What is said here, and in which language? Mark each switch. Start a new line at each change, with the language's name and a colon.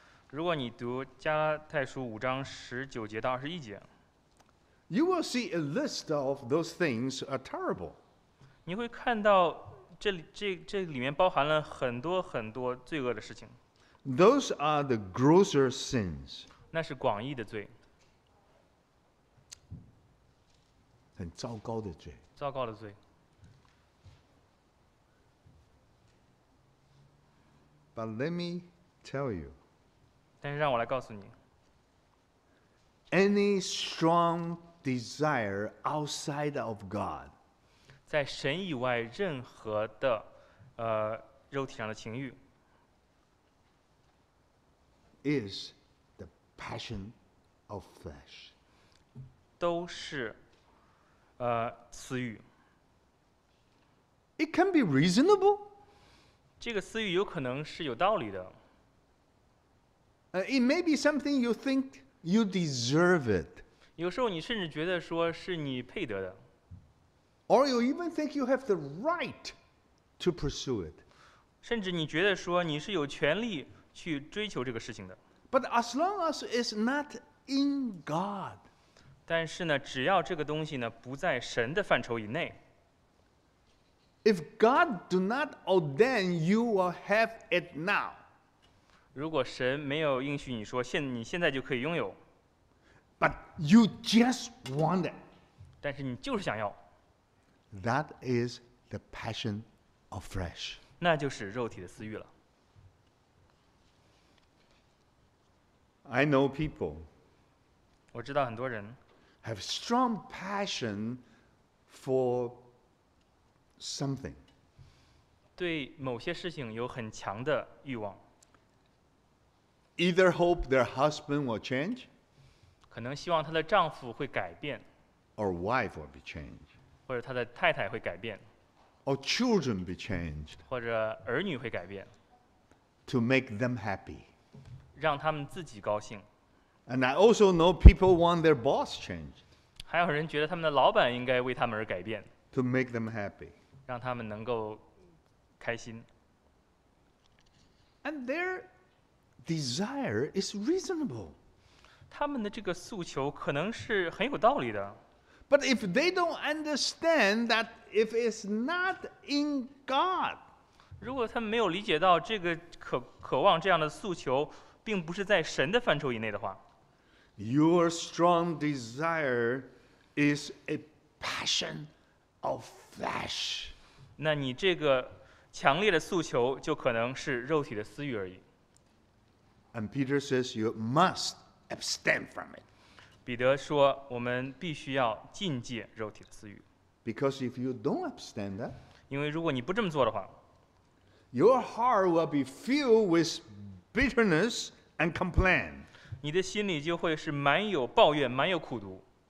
Chinese: 如果你读加拉太书五章十九节到二十一节，
English: you will see a list of those things are terrible.
Chinese: 你会看到这里面包含了很多很多罪恶的事情。
English: Those are the grosser sins.
Chinese: 那是广义的罪，很糟糕的罪，糟糕的罪。
English: But let me tell you.
Chinese: 但是让我来告诉你。
English: Any strong desire outside of God.
Chinese: 在神以外任何的肉体上的情欲。
English: Is the passion of flesh.
Chinese: 都是私欲。
English: It can be reasonable.
Chinese: 这个私欲有可能是有道理的。
English: It may be something you think you deserve it.
Chinese: 有时候你甚至觉得说是你配得的。
English: Or you even think you have the right to pursue it.
Chinese: 甚至你觉得说你是有权利去追求这个事情的。
English: But as long as it's not in God.
Chinese: 但是呢，只要这个东西呢不在神的范畴以内。
English: If God do not ordain, you will have it now.
Chinese: 如果神没有应许你说你现在就可以拥有。
English: But you just want it.
Chinese: 但是你就是想要。
English: That is the passion of flesh.
Chinese: 那就是肉体的私欲了。
English: I know people.
Chinese: 我知道很多人。
English: Have strong passion for something.
Chinese: 对某些事情有很强的欲望。
English: Either hope their husband will change.
Chinese: 可能希望他的丈夫会改变。
English: Or wife will be changed.
Chinese: 或者他的太太会改变。
English: Or children be changed.
Chinese: 或者儿女会改变。
English: To make them happy.
Chinese: 让他们自己高兴。
English: And I also know people want their boss changed.
Chinese: 还有人觉得他们的老板应该为他们而改变。
English: To make them happy.
Chinese: 让他们能够开心。
English: And their desire is reasonable.
Chinese: 他们的这个诉求可能是很有道理的。
English: But if they don't understand that if it's not in God,
Chinese: 如果他们没有理解到这个渴望这样的诉求并不是在神的范畴以内的话，
English: Your strong desire is a passion of flesh.
Chinese: 那你这个强烈的诉求就可能是肉体的私欲而已。
English: And Peter says you must abstain from it.
Chinese: 彼得说我们必须要禁戒肉体的私欲。
English: Because if you don't abstain that,
Chinese: 因为如果你不这么做的话，
English: your heart will be filled with bitterness and complain.
Chinese: 你的心里就会是满有抱怨，满有苦毒。